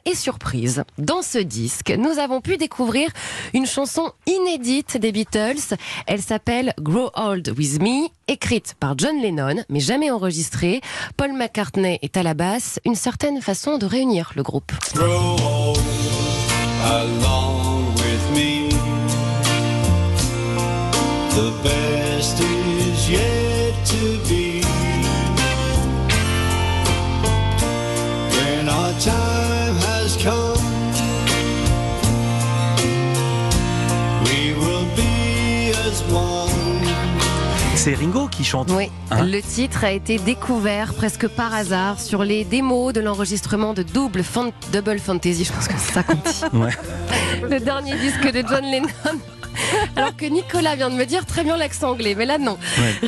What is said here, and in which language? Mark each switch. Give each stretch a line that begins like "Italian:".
French: Et surprise, dans ce disque, nous avons pu découvrir une chanson inédite des Beatles. Elle s'appelle Grow Old With Me, écrite par John Lennon, mais jamais enregistrée. Paul McCartney est à la basse, une certaine façon de réunir le groupe.
English: Grow old. Along with me, the best is yet to be. When our time has come, we will be as one.
French: C'est Ringo qui chante. Oui. Hein, le titre a été découvert presque par hasard sur les démos de l'enregistrement de Double Fantasy. Je pense que c'est ça qu'on dit. Ouais. Le dernier disque de John Lennon. Alors que Nicolas vient de me dire très bien l'accent anglais, mais là non. Ouais.